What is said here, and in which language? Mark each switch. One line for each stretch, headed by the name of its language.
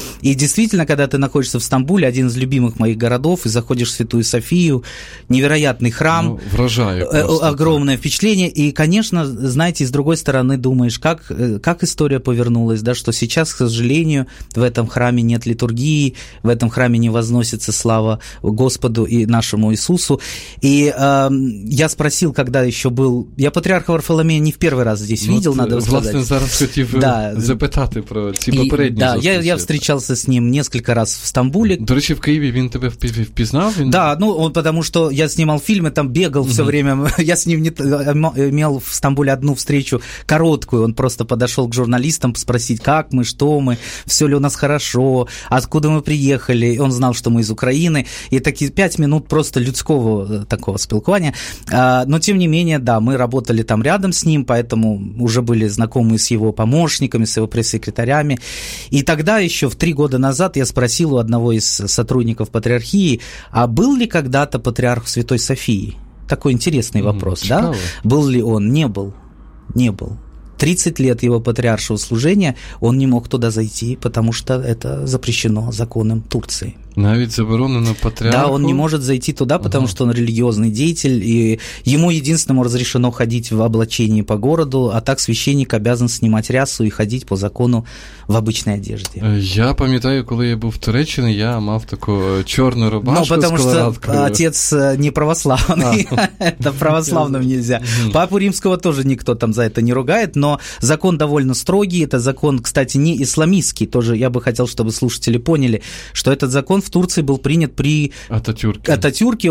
Russian: И действительно, когда ты находишься в Стамбуле, один из любимых моих городов, и заходишь в Святую Софию, невероятный храм, огромное впечатление, и, конечно, знаете, с другой стороны думаешь, как история повернулась, да, что сейчас, к сожалению, в этом храме нет литургии, в этом храме не возносится слава Господу и нашему Иисусу. И я спросил, когда еще был... Я патриарха Варфоломея не в первый раз здесь видел, надо сказать.
Ukrainian: Власне, зараз хотів запитати про ці попередні зустрічі.
Russian: Да, я встречался с ним несколько раз в Стамбуле.
Ukrainian: До речі, в Києві він тебе впізнав?
Russian: Да, ну, потому что я снимал фильмы, там бегал все время, я с ним имел в Стамбуле одну встречу, короткую, он просто подошел к журналистам спросить, как мы, что мы, все ли у нас хорошо, откуда мы приехали, он знал, что мы из Украины, и такие 5 минут просто людского такого спелкования, но тем не менее, да, мы работали там рядом с ним, поэтому уже были знакомы с его помощниками, с его пресс-секретарями, и тогда еще в 3 года назад я спросил у одного из сотрудников патриархии, а был ли когда-то патриарх Святой Софии? Такой интересный вопрос, да? Был ли он? Не был. Не был. 30 лет его патриаршего служения он не мог туда зайти, потому что это запрещено законом Турции.
Ukrainian: Навіть заборонено патріарху?
Russian: Да, он не может зайти туда, потому что он религиозный деятель, и ему единственному разрешено ходить в облачении по городу, а так священник обязан снимать рясу и ходить по закону в обычной одежде.
Ukrainian: Я пам'ятаю, коли я був в Туреччині, я мав таку чорну рубашку.
Russian: Ну, потому что отец не православный, это православным нельзя. Папу Римского тоже никто там за это не ругает, но закон довольно строгий, это закон, кстати, не исламистский, тоже я бы хотел, чтобы слушатели поняли, что этот закон в Турции был принят при Ататюрке,